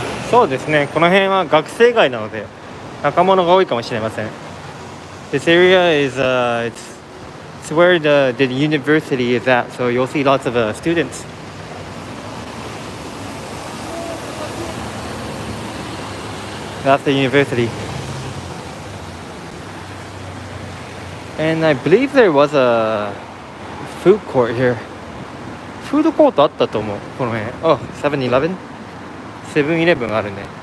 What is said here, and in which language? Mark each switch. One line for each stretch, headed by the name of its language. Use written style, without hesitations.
Japanese: そうですね、この辺は学生街なので若者が多いかもしれません。
English: This area is it's where the university is at, so you'll see lots of students. That's the university. And I believe there was a food court here.
Japanese: フードコートあったと思う、この辺。
English: Oh, 7-11?
Japanese: セブンイレブンあるね。